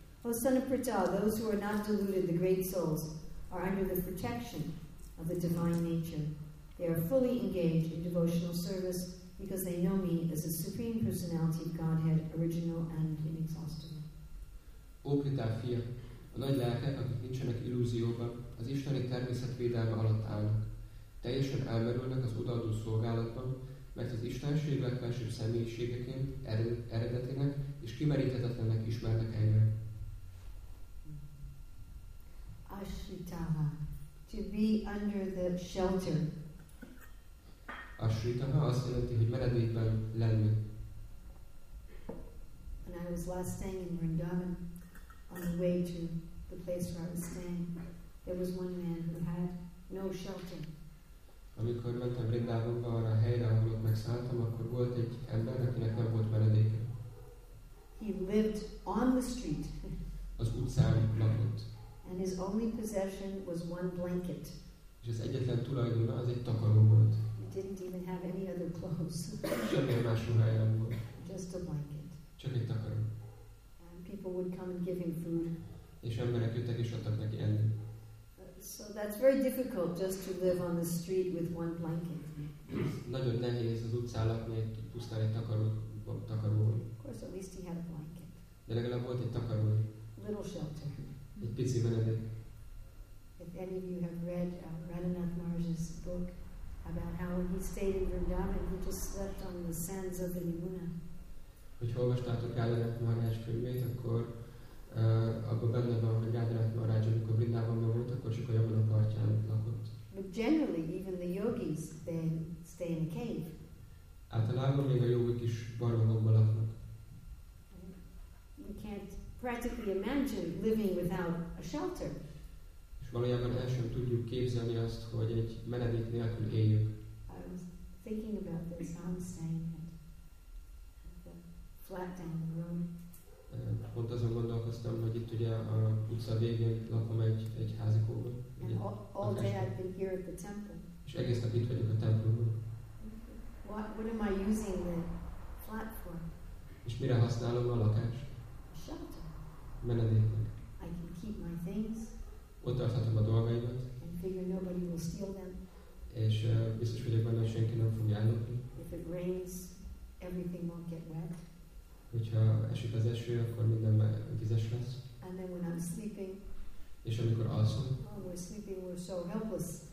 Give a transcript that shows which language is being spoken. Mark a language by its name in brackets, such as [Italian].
[English] O son of Pritha, those who are not deluded, the great souls, are under the protection of the divine nature. They are fully engaged in devotional service because they know me as the Supreme Personality of Godhead, original and inexhaustible. [Hungarian] O Pritha fia, a nagy lelkek, akik nincsenek illúzióban, az isteni természet védelme alatt állnak. Teljesen elmerülnek az odaadó szolgálatban, mert az istenség legfelsőbb személyiségeként, eredetének és kimeríthetetlennek ismernek engem. [English] Ashritaha, to be under the shelter. [Hungarian] Ashritaha azt jelenti, hogy meredékben lenni. [English] When I was last staying in Vrindavan, on the way to the place where I was staying, there was one man who had no shelter. [Hungarian] Amikor mentem Vrindavanba, arra a helyre, ahol ott megszálltam, akkor volt egy ember, akinek nem volt meredéke. [English] He lived on the street. [Hungarian] Az utcán lakott. [English] And his only possession was one blanket. [Hungarian] És az egyetlen tulajdona az egy takaró volt. [English] He didn't even have any other clothes. [Hungarian] Semmi más ruhája nem volt. [English] Just a blanket. [Hungarian] Csak egy takaró. [English] And people would come and give him food. [Hungarian] És emberek jöttek és adtak neki enni. [English] So that's very difficult just to live on the street with one blanket. [Hungarian] Nagyon nehéz az utcán lakni pusztán egy takaróval. [English] Of course, at least he had a blanket. [Hungarian] De legalább volt egy takaró. [English] Little shelter. [Hungarian] Egy pici menedék. [English] If any of you have read Radhanath Maharaj's book about how he stayed in Vrindavan, he just slept on the sands of the Yamuna. [Hungarian] Hogyha olvastátok Radhanath Maharaj könyvét, akkor abban benne van, hogy Radhanath Maharaj, amikor Vrindavanban volt, akkor csak a Yamuna partján lakott. [English] But generally, even the yogis, they stay in a cave. [Hungarian] Általában még a jogik is barlangokban laknak. [English] You can't practically imagine living without a shelter. [Hungarian] És valójában el sem tudjuk képzelni azt, hogy egy menedék nélkül éljük. [English] I was thinking about this, I was saying that the flat down the road. [Hungarian] Pont azon gondolkoztam, hogy itt ugye a utca végén lakom egy házikóban. [English] All day I've been here at the temple. [Hungarian] És egész nap itt vagyok a templomban. [English] What am I using the flat for? [Hungarian] És mire használom a lakást? Menedéknek. [English] I can keep my things. [Hungarian] Ott tarthatom a dolgaimat. [English] And figure nobody will steal them. [Hungarian] És biztos vagyok benne, hogy senki nem fogja ellopni. [English] If it rains, everything won't get wet. [Hungarian] Hogyha esik az eső, akkor minden vizes lesz. [English] And then when I'm sleeping. [Hungarian] És amikor alszom. [English] Oh, we're sleeping, we're so helpless.